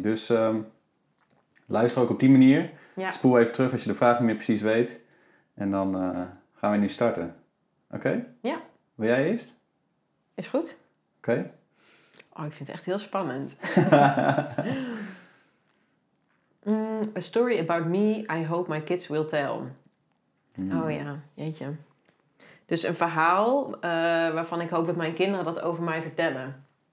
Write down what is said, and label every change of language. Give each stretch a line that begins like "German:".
Dutch: Dus luister ook op die manier. Ja. Spoel even terug als je de vraag niet meer precies weet. En dan gaan we nu starten. Oké? Ja. Wil jij eerst? Is goed. Oké. Oh, ik vind het echt heel spannend.
English: A story about me, I hope my kids will tell.
Dutch: Mm. Oh ja, jeetje. Dus een verhaal waarvan ik hoop dat mijn kinderen dat over mij vertellen.